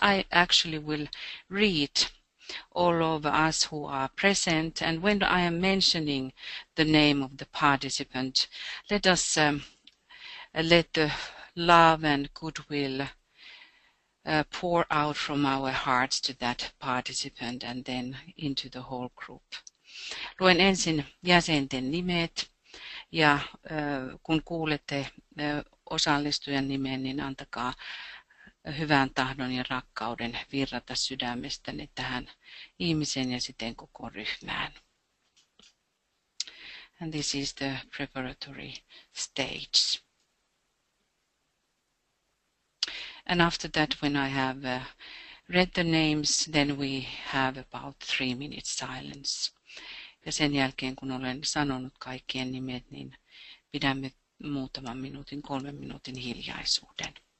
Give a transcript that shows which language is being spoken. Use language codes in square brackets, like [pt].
[en] I actually will read all of us who are present, and when I am mentioning the name of the participant, let us let the love and goodwill pour out from our hearts to that participant and then into the whole group. [fi] Luen ensin jäsenten nimet, ja kun kuulette osallistujan nimen, niin antakaa hyvän tahdon ja rakkauden virrata sydämestäni tähän ihmiseen ja sitten koko ryhmään. [en] And this is the preparatory stage. And after that, when I have read the names, then we have about 3 minutes silence. [fi] Ja sen jälkeen, kun olen sanonut kaikkien nimet, niin pidämme muutaman minuutin, 3 minuutin hiljaisuuden.